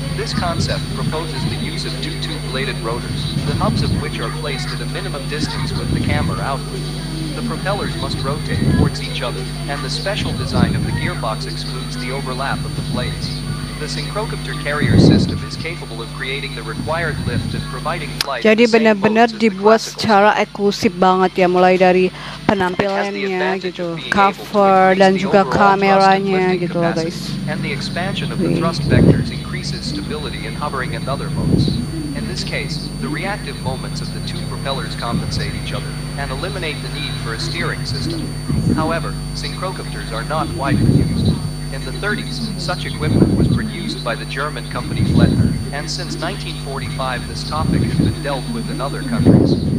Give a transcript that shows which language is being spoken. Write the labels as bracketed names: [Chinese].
[English] This concept proposes the use of two two-bladed rotors, the hubs of which are placed at a minimum distance with the camber outward. The propellers must rotate towards each other, and the special design of the gearbox excludes the overlap of the blades. The synchrocopter carrier system is capable of creating the required lift and providing flight. [Indonesian] Jadi benar-benar dibuat secara eksklusif banget ya, mulai dari penampilannya gitu, cover dan juga kameranya gitu loh guys. [English] And the expansion of the thrust vectors increases stability in hovering and other modes. In this case, the reactive moments of the two propellers compensate each other and eliminate the need for a steering system. However, synchrocopters are not widely used. In the 30s, such equipment was produced by the German company Flettner, and since 1945 this topic has been dealt with in other countries.